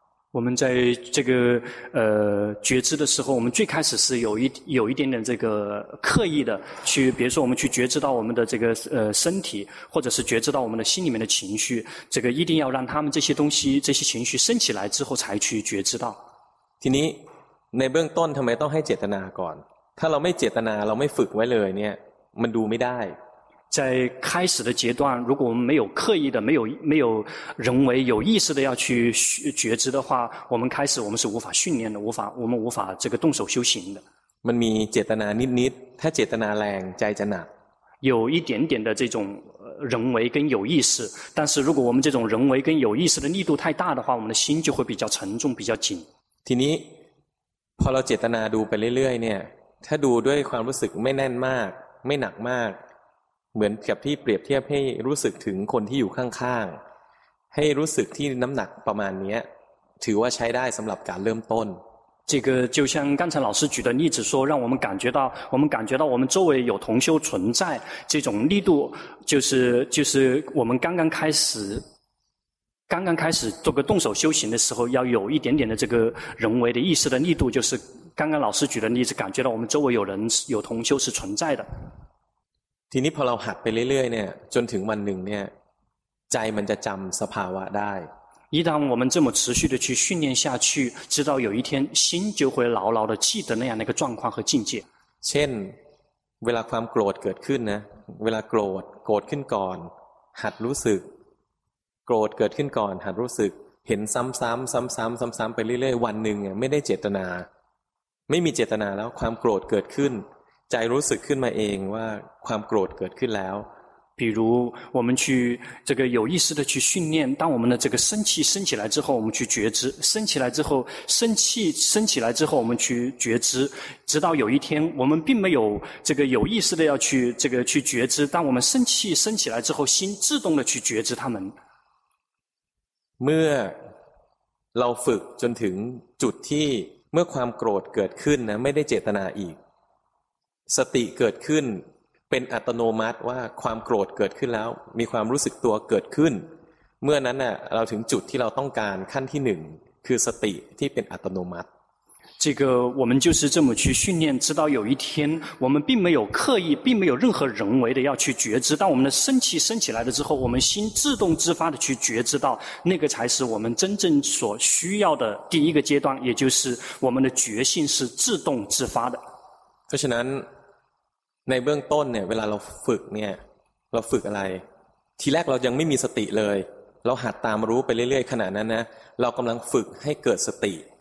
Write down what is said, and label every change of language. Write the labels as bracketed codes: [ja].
[zh] 我们在这个觉知的时候我们最开始是有一点点这个刻意的去比如说我们去觉知到我们的这个身体或者是觉知到我们的心里面的情绪这个一定要让他们这些东西这些情绪升起来之后才去觉知到 [th] ทีนี้ในเบื้องต้นทำไมต้องให้เจตนาก่อนถ้าเราไม่เจตนาเราไม่ฝึกไว้เลยเนี่ยมันดูไม่ได้ [zh] 在开始的阶段如果我们没有刻意的没有人为有意识的要去觉知的话我们开始我们是无法训练的我们无法这个动手修行的 [th] มันมีเจตนานิดนิดถ้าเจตนาแรงใจจะหนัก [zh] 有一点点的这种人为跟有意识但是如果我们这种人为跟有意识的力度太大的话我们的心就会比较沉重比较紧 [th] ทีนี้พอเราเจตนาดูไปเรื่อยๆเนี่ยถ้าดูด้วยความรู้สึกไม่แน่นมากไม่หนักมากเหมือนกับที่เปรียบเทียบให้รู้สึกถึงคนที่อยู่ข้างๆให้รู้สึกที่น้ำหนักประมาณนี้ถือว่าใช้ได้สำหรับการเริ่มต้น [zh] 这个就像刚才老师举的例子说让我们感觉到我们周围有同修存在这种力度就是我们刚刚开始做个动手修行的时候要有一点点的这个人为的意识的力度就是刚刚老师举的例子感觉到我们周围有人有同修是存在的 [th] ทีนี้พอเราหัดไปเรื่อยๆเนี่ยจนถึงวันหนึ่งเนี่ยใจมันจะจำสภาวะได้ [zh] 一旦我们这么持续的去训练下去直到有一天心就会牢牢的记得那样的一个状况和境界 [th] เช่นเวลาความโกรธเกิดขึ้นนะเวลาโกรธขึ้นก่อนหัดรู้สึกโกรธเกิดขึ้นก่อนหัดรู้สึกเห็นซ้ำไปเรื่อยๆวันหนึ่งเนี่ยไม่ได้เจตนาไม่มีเจตนาแล้วความโกรธเกิดขึ้นใจรู้สึกขึ้นมาเองว่าความโกรธเกิดขึ้นแล้ว [zh] 比如我们去这个有意识的去训练当我们的这个生气升起来之后我们去觉知升起来之后生气升起来之后我们去觉知直到有一天我们并没有这个有意识的要去这个去觉知当我们生气升起来之后心自动的去觉知他们 [th] เมื่อเราฝึกจนถึงจุดที่เมื่อความโกรธเกิดขึ้นนะไม่ได้เจตนาอีกสติเกิดขึ้นเป็นอัตโนมัติว่าความโกรธเกิดขึ้นแล้วมีความรู้สึกตัวเกิดขึ้นเมื่อนั้นน่ะเราถึงจุดที่เราต้องการขั้นที่หนึ่งคือสติที่เป็นอัตโนมัติ [zh] 这个我们就是这么去训练直到有一天我们并没有刻意并没有任何人为的要去觉知当我们的生气升起来了之后我们心自动自发的去觉知到那个才是我们真正所需要的第一个阶段也就是我们的觉性是自动自发的 [th] เพราะฉะนั้นในเบื้องต้นเนี่ยเวลาเราฝึกเนี่ยเราฝึกอะไรทีแรกเรายังไม่มีสติเลยเราหัดตามรู้ไปเรื่อยๆขณะนั้นนะเรากำลังฝึกให้เกิดสติ